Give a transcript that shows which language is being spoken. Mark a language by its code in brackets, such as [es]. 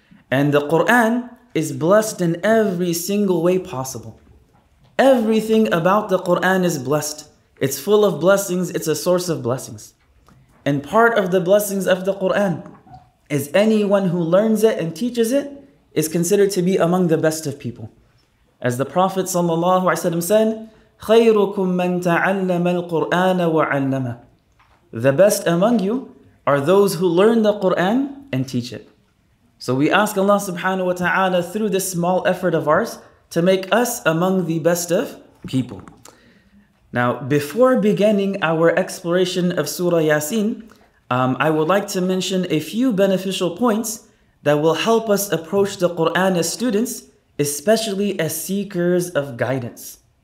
[en] And the Qur'an is blessed in every single way possible. Everything about the Qur'an is blessed. It's full of blessings, it's a source of blessings. And part of the blessings of the Qur'an is anyone who learns it and teaches it is considered to be among the best of people. As the Prophet ﷺ said, [ar] خَيْرُكُمْ مَنْ تَعَلَّمَ الْقُرْآنَ وَعَلَّمَهُ. [en] The best among you are those who learn the Qur'an and teach it. So we ask Allah subhanahu wa ta'ala through this small effort of ours to make us among the best of people. Now, before beginning our exploration of Surah Yasin, I would like to mention a few beneficial points that will help us approach the Qur'an as students, especially as seekers of guidance.